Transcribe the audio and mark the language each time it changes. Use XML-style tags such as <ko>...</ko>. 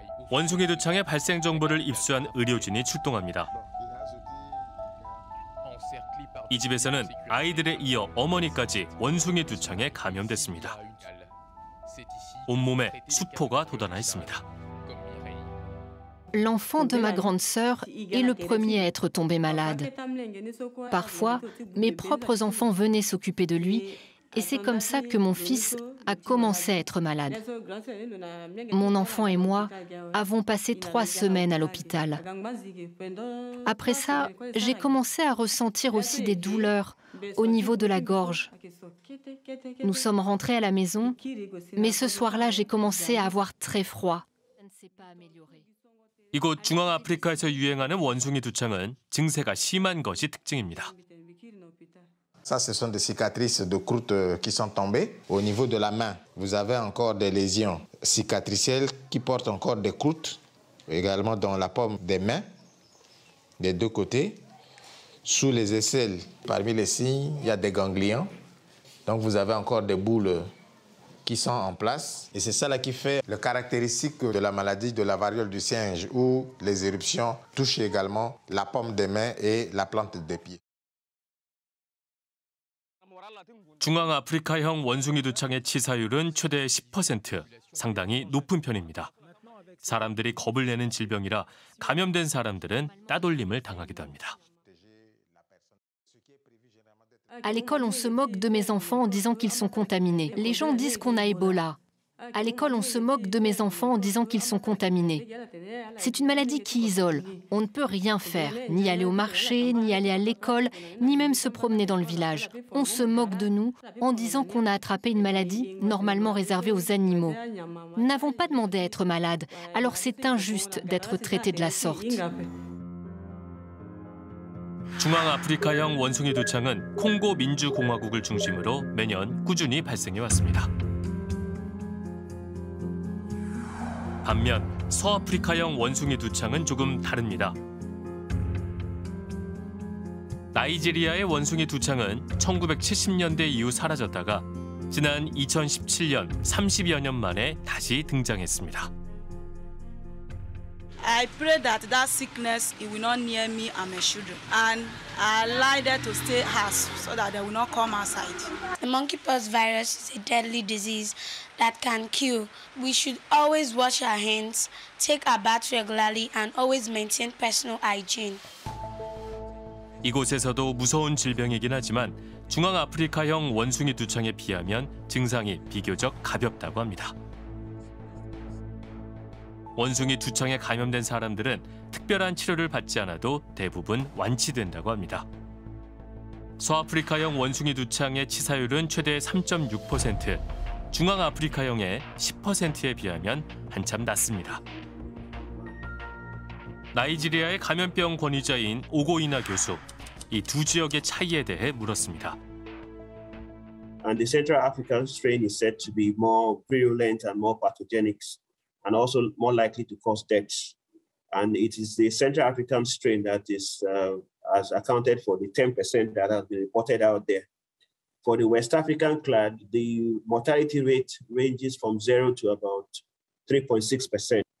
<ko>원숭이 두창의 발생 정보를 입수한 의료진이 출동합니다. 이 집에서는 아이들에 이어 어머니까지 원숭이 두창에 감염됐습니다. 온몸에 수포가 돋아나 있습니다.</ko> <fr>L'enfant de ma grande sœur est le premier à être tombé malade. Parfois, mes propres enfants venaient s'occuper de lui et c'est comme ça que mon fils a commencé à être malade. Mon enfant et moi avons passé 3 semaines à l'hôpital. Après ça, j'ai commencé à ressentir aussi des douleurs au niveau de la gorge. Nous sommes rentrés à la maison, mais ce soir-là, j'ai commencé à avoir très froid.</fr> <ko>이곳 중앙아프리카에서 유행하는 원숭이 두창은 증세가 심한 것이 특징입니다.</ko> <fr>Ça, ce sont des cicatrices de croûtes qui sont tombées au niveau de la main. Vous avez encore des lésions cicatricielles qui portent encore des croûtes également dans la paume des mains, des deux côtés, sous les aisselles. Parmi les signes, il y a des ganglions. Donc, vous avez encore des boules qui sont en place. Et c'est cela qui fait le caractéristique de la maladie de la variole du singe, où les éruptions touchent également la paume des mains et la plante des pieds.</fr> <ko>중앙아프리카형 원숭이 두창의 치사율은 최대 10%, 상당히 높은 편입니다. 사람들이 겁을 내는 질병이라 감염된 사람들은 따돌림을 당하기도 합니다.</ko> <fr>À l'école, on se moque de mes enfants en disant qu'ils sont contaminés. Les gens disent qu'on a Ebola. À l'école, on se moque de mes enfants en disant qu'ils sont contaminés. C'est une maladie qui isole. On ne peut rien faire, ni aller au marché, ni aller à l'école, ni même se promener dans le village. On se moque de nous en disant qu'on a attrapé une maladie normalement réservée aux animaux. Nous n'avons pas demandé à être malade, alors c'est injuste d'être traité de la sorte.</fr> <ko>중앙아프리카형 원숭이 두창은 콩고 민주공화국을 중심으로 매년 꾸준히 발생해 왔습니다. 반면 서아프리카형 원숭이 두창은 조금 다릅니다. 나이지리아의 원숭이 두창은 1970년대 이후 사라졌다가 지난 2017년 30여 년 만에 다시 등장했습니다.</ko> <en>I pray that that sickness it will not near me and my children. And I lie there to stay house so that they will not come outside. The monkeypox virus is a deadly disease that can kill. We should always wash our hands, take our bath regularly, and always maintain personal hygiene.</en> <ko>이곳에서도 무서운 질병이긴 하지만 중앙아프리카형 원숭이 두창에 비하면 증상이 비교적 가볍다고 합니다. 원숭이 두창에 감염된 사람들은 특별한 치료를 받지 않아도 대부분 완치된다고 합니다. 서아프리카형 원숭이 두창의 치사율은 최대 3.6%, 중앙아프리카형의 10%에 비하면 한참 낮습니다. 나이지리아의 감염병 권위자인 오고이나 교수, 이 두 지역의 차이에 대해 물었습니다.</ko> <en>And the Central African strain is said to be more virulent and more pathogenic and also more likely to cause deaths. And it is the Central African strain that is has accounted for the 10% that has been reported out there. For the West African clade, the mortality rate ranges from 0 to about 3.6%.</en>